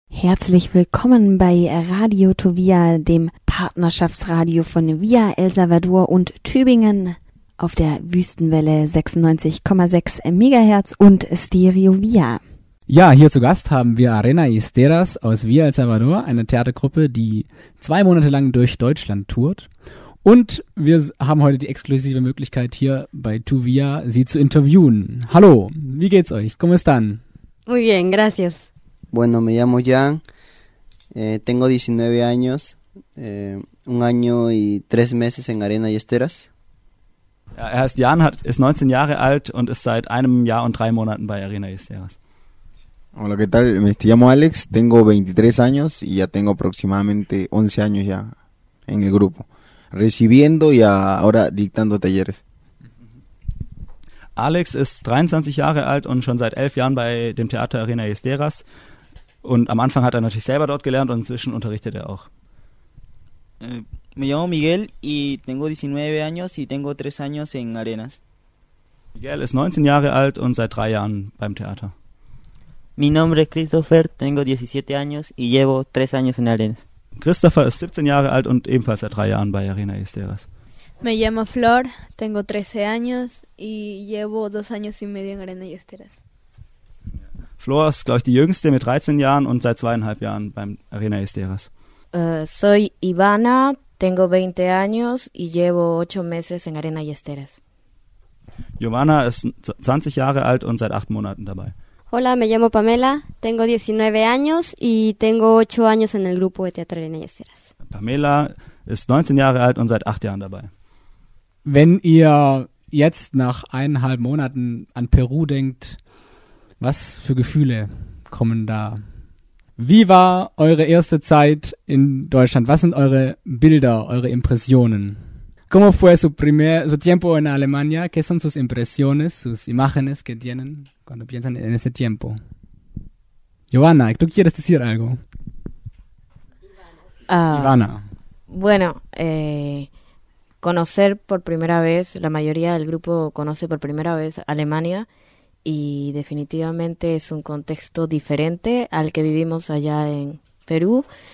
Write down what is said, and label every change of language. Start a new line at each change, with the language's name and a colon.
German: Herzlich willkommen bei Radio Tovia, dem Partnerschaftsradio von Via El Salvador und Tübingen auf der Wüstenwelle 96,6 MHz und Stereo Via. Ja, hier zu Gast haben wir Arena Esteras aus Via El Salvador, eine Theatergruppe, die 2 Monate lang durch Deutschland tourt. Und wir haben heute die exklusive Möglichkeit, hier bei Tuvia sie zu interviewen. Hallo, wie geht's euch?
Spanish: ¿Cómo están? Muy bien, gracias. Bueno, me llamo Jan, tengo 19 años, un año y 3 meses en Arena Esteras.
German: Ja, er heißt Jan, ist 19 Jahre alt und ist seit 1 Jahr und 3 Monaten bei Arena Esteras.
Spanish: Hola, ¿qué tal? Me llamo Alex, tengo 23 años y ya tengo aproximadamente 11 años ya en el grupo, recibiendo y ahora dictando talleres.
German: Alex ist 23 Jahre alt und schon seit 11 Jahren bei dem Theater Arena Esteras. Und am Anfang hat er natürlich selber dort gelernt und inzwischen unterrichtet er auch.
Spanish: Me llamo Miguel y tengo 19 años y tengo 3 años en Arenas.
German: Miguel ist 19 Jahre alt und seit 3 Jahren beim Theater.
Spanish: Mi nombre es Christopher, tengo 17 años y llevo 3 años en Arenas.
German: Christopher ist 17 Jahre alt und ebenfalls seit 3 Jahren bei Arena Esteras.
Spanish: Me llamo Flor, tengo 13 años y llevo 2 años y medio en Arena Esteras.
German: Flor ist, glaube ich, die Jüngste mit 13 Jahren und seit 2,5 Jahren beim Arena Esteras.
Spanish: Soy Ivana, tengo 20 años y llevo 8 meses en Arena Esteras.
German: Giovanna ist 20 Jahre alt und seit 8 Monaten dabei.
Spanish: Hola, me llamo Pamela, tengo 19 años y tengo 8 años en el grupo de teatro Arena Esteras.
German: Pamela ist 19 Jahre alt und seit 8 Jahren dabei. Wenn ihr jetzt nach 1,5 Monaten an Peru denkt, was für Gefühle kommen da? Wie war eure erste Zeit in Deutschland? Was sind eure Bilder, eure Impressionen?
Spanish: ¿Cómo fue su tiempo en Alemania? ¿Qué son sus impresiones, sus imágenes que tienen cuando piensan en ese tiempo? Giovanna, ¿tú quieres decir algo? Ivana. Bueno, conocer por primera vez, la mayoría del grupo conoce por primera vez Alemania y definitivamente es un contexto diferente al que vivimos allá en Perú.